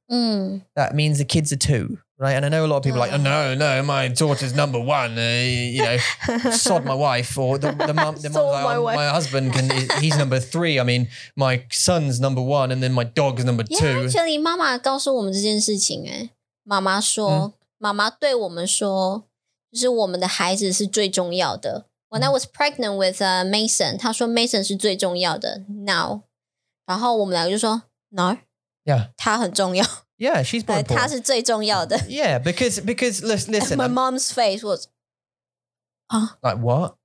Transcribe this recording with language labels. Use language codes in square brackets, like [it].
[en] That means the kids are two, right? And I know a lot of people are like, oh, no, my daughter's number one, you know, sod my wife. Or the mom's like, my husband, he's number three. I mean, my son's number one and then my dog's number two. Yeah, actually, [zh] 妈妈告诉我们这件事情。妈妈说,妈妈对我们说,就是我们的孩子是最重要的。 [en] When I was pregnant with Mason, [zh] 她说 Mason 是最重要的, [en] now. [zh] 然后我们两个就说, no. [en] Yeah. [zh] 他很重要。 [en] Yeah, she's more important. [zh] 他是最重要的。 [en] Yeah, because listen. My mom's face was, Like what?